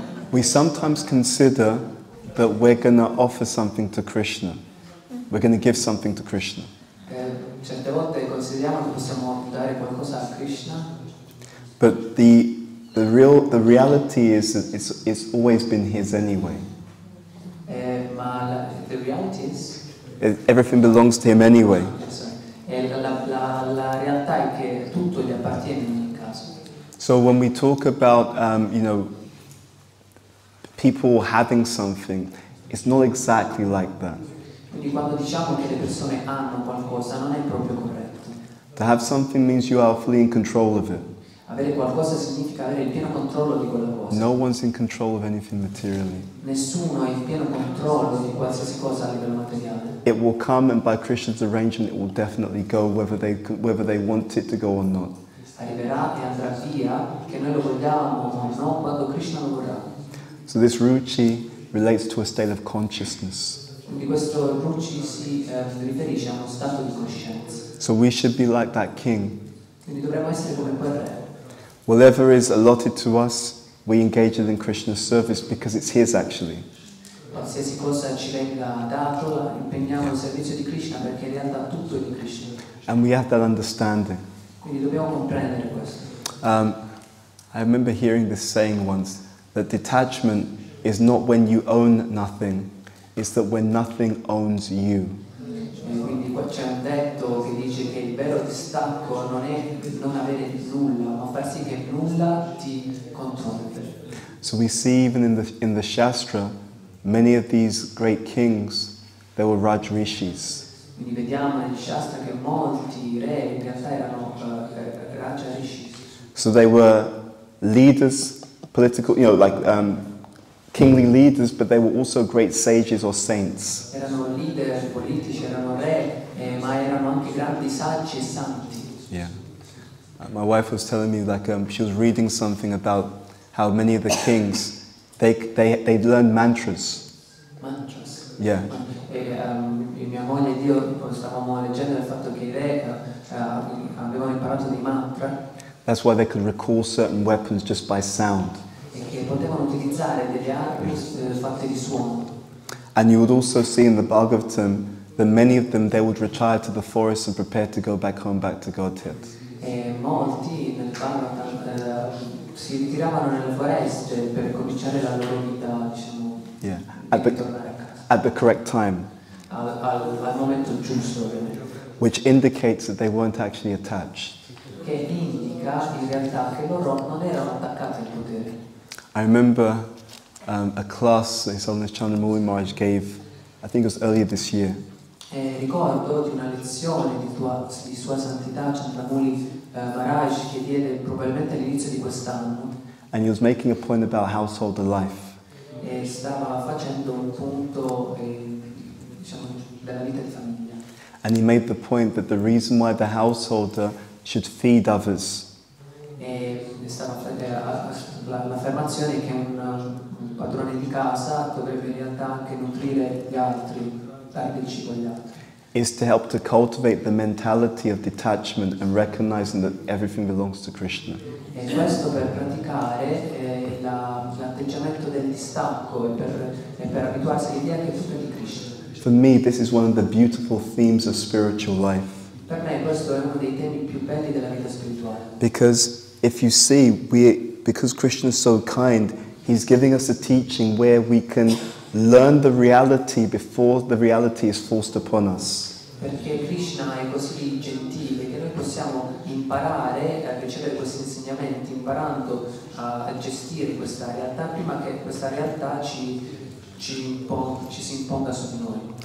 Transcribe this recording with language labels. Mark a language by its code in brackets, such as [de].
[en] We sometimes consider that we're going to offer something to Krishna. We're going to give something to Krishna. [it] Certe volte consideriamo che possiamo dare qualcosa a Krishna. [en] But the reality is that it's always been his anyway. [it] Ma [en] the reality is everything belongs to him anyway. [it] La realtà è che tutto gli appartiene in ogni caso. [en] So when we talk about you know, people having something, it's not exactly like that. [it] Quindi quando diciamo che le persone hanno qualcosa, non è proprio corretto. [en] To have something means you are fully in control of it. [it] Avere qualcosa significa avere il pieno controllo di quella cosa. [en] No one's in control of anything materially. [it] Nessuno ha il pieno controllo di qualsiasi cosa a livello materiale. [en] It will come, and by Krishna's arrangement, it will definitely go whether they want it to go or not. [it] Arriverà e andrà via che noi lo vogliamo o no quando Krishna lo vorrà. [en] So this ruchi relates to a state of consciousness. [it] Quindi questo ruchi si riferisce a uno stato di coscienza. [en] So we should be like that king. [it] Quindi dovremmo essere come quel re. [en] Whatever is allotted to us, we engage it in Krishna's service because it's his actually. [it] Qualsiasi cosa ci venga dato, impegniamo al servizio di Krishna perché in realtà tutto è di Krishna. [en] And we have that understanding. [it] Quindi dobbiamo comprendere questo. [en] I remember hearing this saying once, that detachment is not when you own nothing, it's that when nothing owns you. [it] Quindi qua c'è un detto che dice che il vero distacco non è non avere nulla, ma far sì che nulla ti controlli. [en] So we see even in the Shastra, many of these great kings, they were Rajrishis. [it] Quindi vediamo nel Shastra che molti re in realtà erano Rajrishis. [en] So they were leaders, political, you know, like kingly leaders, but they were also great sages or saints. [it] Erano leader politici, erano re, ma erano anche grandi saggi e santi. [en] Yeah. My wife was telling me, like, she was reading something about how many of the kings, they learned mantras. Mantras? Yeah. [it] E mia moglie e io stavamo leggendo il fatto che i re avevano imparato dei mantra. [en] That's why they could recall certain weapons just by sound. [it] Che potevano utilizzare delle armi fatte di suono. [en] And you would also see in the Bhagavatam that many of them, they would retire to the forest and prepare to go back home, back to Godhead. [it] E molti nel Bhagavatam si ritiravano nelle foreste per cominciare la loro vita, diciamo, [en] yeah, at the, [it] tornare a casa. [en] At the correct time. [it] Al momento giusto. [en] Which indicates that they weren't actually attached. [it] Che indica in realtà che loro non erano attaccati al potere. [en] I remember a class that His Holiness Candramauli Maharaj gave, I think it was earlier this year. [it] Ricordo di una lezione di Sua Santità Candramauli Maharaj che diede probabilmente all'inizio di quest'anno. [en] And he was making a point about household life. [it] E stava facendo un punto, diciamo, della vita di famiglia. [en] And he made the point that the reason why the householder should feed others. [it] E stava l'affermazione che un padrone di casa dovrebbe in realtà anche nutrire gli altri. [en] Is to help to cultivate the mentality of detachment and recognizing that everything belongs to Krishna. [it] E questo per praticare l'atteggiamento del distacco e per abituarsi all'idea che tutto è di Krishna. [en] For me, this is one of the beautiful themes of spiritual life. [it] Per me questo è uno dei temi più belli della vita spirituale. [en] Because if you see, because Krishna is so kind, he's giving us a teaching where we can learn the reality before the reality is forced upon us. [it] Perché Krishna è così gentile che noi possiamo imparare a ricevere questi insegnamenti imparando a gestire questa realtà prima che questa realtà ci si imponga su di noi.